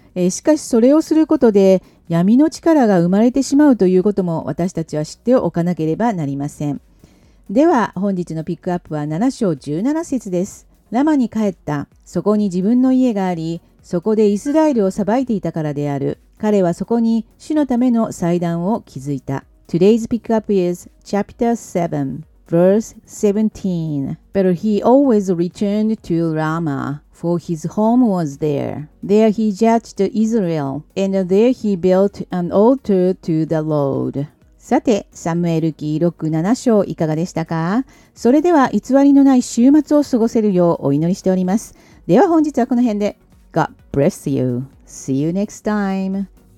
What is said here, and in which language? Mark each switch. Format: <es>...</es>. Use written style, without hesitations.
<ja>しかしそれをすることで闇の力が生まれてしまうということも私たちは知っておかなければなりません。では本日のピックアップは7章17節です。ラマに帰った。そこに自分の家があり、そこでイスラエルを裁いていたからである。彼はそこに主のための祭壇を築いた。</ja> <en>Today's pickup is chapter 7, verse 17. But he always returned to Ramah, for his home was there. There he judged Israel, and there he built an altar to the Lord.</en> <ja>さて、サムエル記6、7章いかがでしたか？それでは偽りのない週末を過ごせるようお祈りしております。では本日はこの辺で。</ja> <en>God bless you. See you next time.</en>